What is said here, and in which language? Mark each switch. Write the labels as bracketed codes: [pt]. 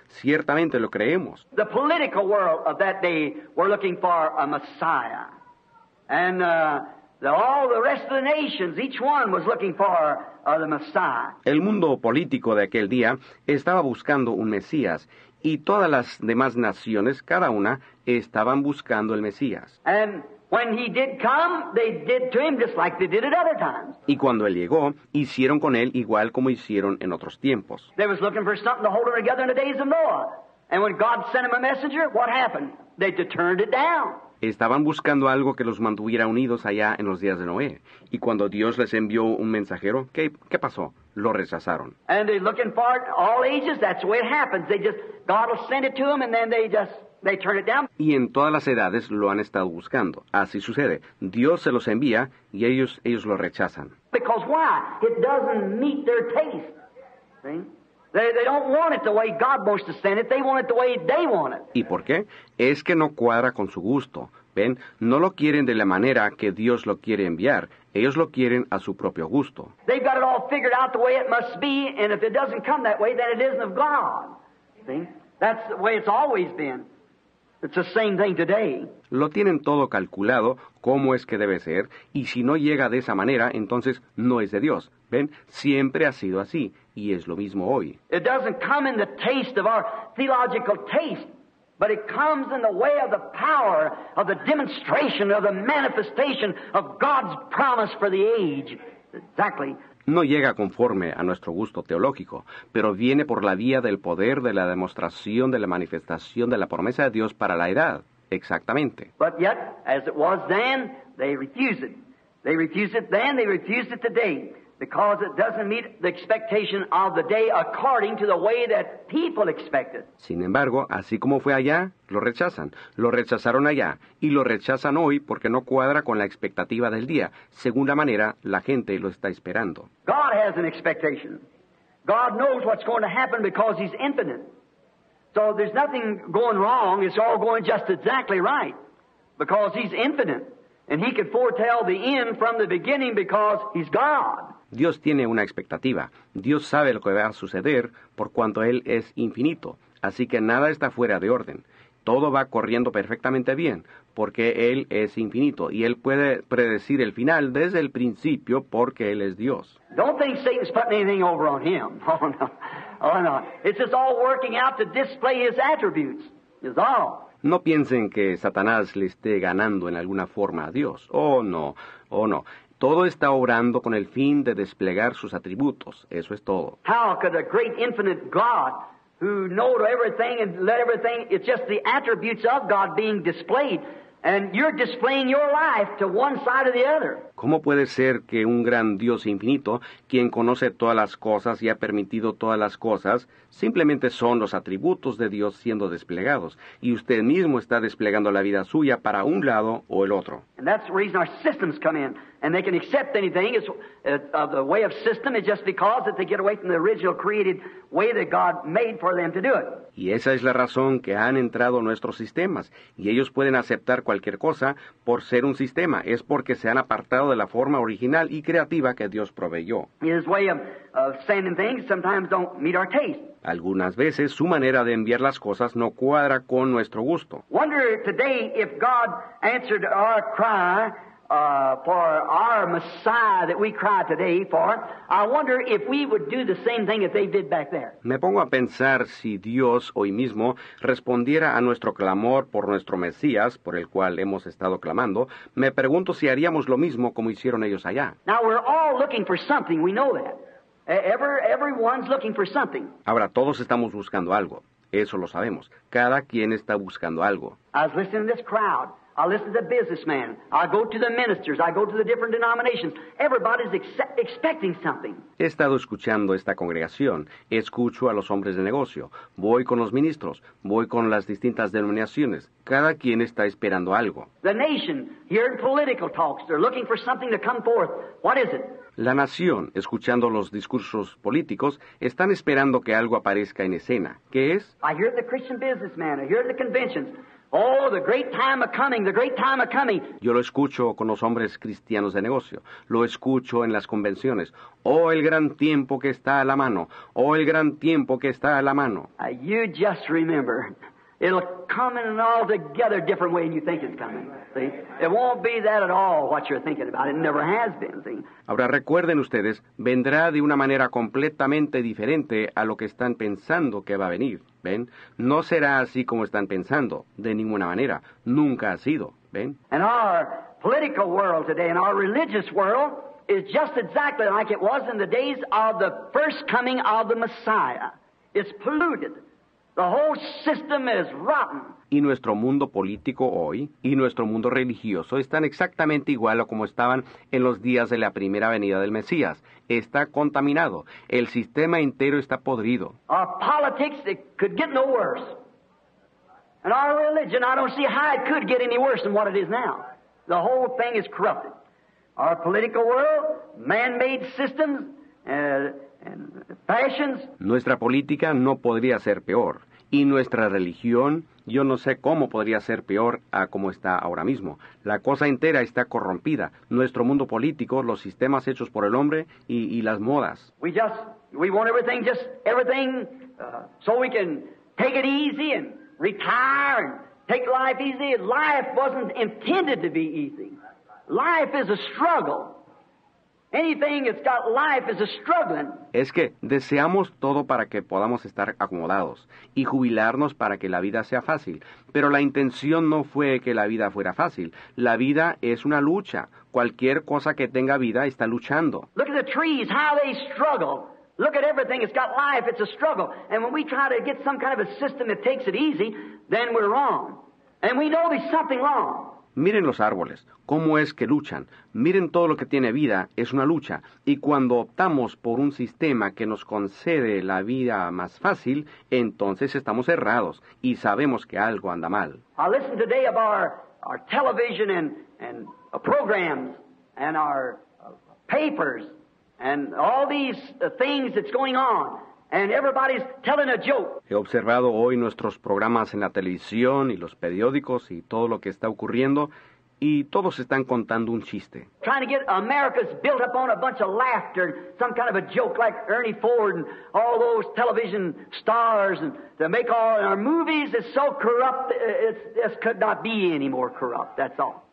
[es] Ciertamente lo creemos. [en] The political world of that day were looking for a Messiah, and all the rest of the nations, each one was looking for the Messiah. [es] El mundo político de aquel día estaba buscando un Mesías, y todas las demás naciones, cada una, estaban buscando el Mesías. [en] And when he did come, they did to him just like they did at other times. [es] Y cuando él llegó, hicieron con él igual como hicieron en otros tiempos. [en] They was looking for something to hold them together in the days of Noah. And when God sent him a messenger, what happened? They turned it down. [es] Estaban buscando algo que los mantuviera unidos allá en los días de Noé. Y cuando Dios les envió un mensajero, ¿qué pasó? Lo rechazaron. [en] And they're looking for it all ages. That's the way it happens. They just, God will send it to them and then they turn it down. [es] Y en todas las edades lo han estado buscando. Así sucede. Dios se los envía y ellos lo rechazan. [en] Because why? It doesn't meet their taste. See? They don't want it the way God wants to send it. They want it the way they want it. [es] ¿Y por qué? Es que no cuadra con su gusto. ¿Ven? No lo quieren de la manera que Dios lo quiere enviar. Ellos lo quieren a su propio gusto. [en] They've got it all figured out the way it must be, and if it doesn't come that way, then it isn't of God. See? That's the way it's always been. It's the same thing today. [es] Lo tienen todo calculado, cómo es que debe ser, y si no llega de esa manera, entonces no es de Dios. ¿Ven? Siempre ha sido así. Y es lo mismo hoy. [en] It doesn't come in the taste of our theological taste, but it comes in the way of the power of the demonstration of the manifestation of God's promise for the age. Exactly. [es] No llega conforme a nuestro gusto teológico, pero viene por la vía del poder de la demostración de la manifestación de la promesa de Dios para la edad. Exactamente. [en] But yet, as it was then, they refuse it. They refuse it then, they refuse it today. Because it doesn't meet the expectation of the day according to the way that people expected. [es] Sin embargo, así como fue allá, lo rechazan. Lo rechazaron allá, y lo rechazan hoy porque no cuadra con la expectativa del día, según la manera la gente lo está esperando. [en] God has an expectation. God knows what's going to happen because he's infinite. So there's nothing going wrong, it's all going just exactly right. Because he's infinite. And he can foretell the end from the beginning because he's God. [es] Dios tiene una expectativa. Dios sabe lo que va a suceder por cuanto Él es infinito. Así que nada está fuera de orden. todo va corriendo perfectamente bien, porque Él es infinito, y Él puede predecir el final desde el principio, porque Él es Dios. [en] Don't think Satan's putting anything over on him. Oh, no. Oh, no. It's just all working out to display his attributes. Is all. [es] No piensen que Satanás le esté ganando en alguna forma a Dios. Oh, no. Oh, no. Todo está obrando con el fin de desplegar sus atributos. Eso es todo. [en] How could a great infinite God, who knows everything and let everything, it's just the attributes of God being displayed, and you're displaying your life to one side or the other. [es] ¿Cómo puede ser que un gran Dios infinito, quien conoce todas las cosas y ha permitido todas las cosas, simplemente son los atributos de Dios siendo desplegados, y usted mismo está desplegando la vida suya para un lado o el otro? [en] And that's the reason our systems come in, and they can accept anything as the way of system is just because that they get away from the original created way that God made for them to do it. [es] Y esa es la razón que han entrado nuestros sistemas, y ellos pueden aceptar cualquier cosa por ser un sistema, es porque se han apartado de la forma original y creativa que Dios proveyó. [en] His way of sending things sometimes don't meet our taste. [es] Algunas veces su manera de enviar las cosas no cuadra con nuestro gusto. [en] Wonder today if God answered our cry for our Messiah that we cry today for, I wonder if we would do the same thing that they did back there. [es] Me pongo a pensar si Dios hoy mismo respondiera a nuestro clamor por nuestro Mesías, por el cual hemos estado clamando, me pregunto si haríamos lo mismo como hicieron ellos allá. [en] Now we're all looking for something, we know that. Everyone's looking for something. [es] Ahora, todos estamos buscando algo. Eso lo sabemos. Cada quien está buscando algo. [en] I was listening to this crowd. I listen to the businessman. I go to the ministers. I go to the different denominations. Everybody's expecting something. [es] He estado escuchando esta congregación. Escucho a los hombres de negocio. Voy con los ministros. Voy con las distintas denominaciones. Cada quien está esperando algo. [en] The nation, hearing political talks, they're looking for something to come forth. What is it? [es] La nación, escuchando los discursos políticos, están esperando que algo aparezca en escena. ¿Qué es? [en] I hear the Christian businessman. I hear the conventions. Oh, the great time of coming, the great time of coming. [es] Yo lo escucho con los hombres cristianos de negocio. Lo escucho en las convenciones. Oh, el gran tiempo que está a la mano. Oh, el gran tiempo que está a la mano. [en] You just remember, it'll come in an altogether different way than you think it's coming. See? It won't be that at all what you're thinking about. It never has been. See? [es] Ahora recuerden ustedes, vendrá de una manera completamente diferente a lo que están pensando que va a venir. ¿Ven? No será así como están pensando, de ninguna manera. Nunca ha sido, ¿ven? [en] And our political world today, and our religious world, is just exactly like it was in the days of the first coming of the Messiah. It's polluted. The whole system is rotten. [es] Y nuestro mundo político hoy, y nuestro mundo religioso, están exactamente igual a como estaban en los días de la primera venida del Mesías. Está contaminado. El sistema entero está podrido. [en] Our politics, it could get no worse. And our religion, I don't see how it could get any worse than what it is now. The whole thing is corrupted. Our political world, man-made systems, and fashions. [es] Nuestra política no podría ser peor. Y nuestra religión, yo no sé cómo podría ser peor a como está ahora mismo. La cosa entera está corrompida. Nuestro mundo político, los sistemas hechos por el hombre y las modas. [en] We want everything, just everything, so we can take it easy and retire and take life easy. Life wasn't intended to be easy. Life is a struggle. Anything that's got life is a struggling. [es] Es que deseamos todo para que podamos estar acomodados y jubilarnos para que la vida sea fácil. Pero la intención no fue que la vida fuera fácil. La vida es una lucha. Cualquier cosa que tenga vida está luchando. [en] Look at the trees, how they struggle. Look at everything, it's got life, it's a struggle. And when we try to get some kind of a system that takes it easy, then we're wrong. And we know there's something wrong. [es] Miren los árboles, cómo es que luchan. Miren todo lo que tiene vida, es una lucha. Y cuando optamos por un sistema que nos concede la vida más fácil, entonces estamos errados y sabemos que algo anda mal. [en] I listen today of our television and programs and our papers and all these things that's going on. And everybody's telling a joke. [es] He observado hoy nuestros programas en la televisión y los periódicos y todo lo que está ocurriendo, y todos están contando un chiste. [en] Trying to get America's built up on a bunch of laughter, some kind of a joke like Ernie Ford and all those television stars, and to make all our movies is so corrupt, this could not be any more corrupt, that's all.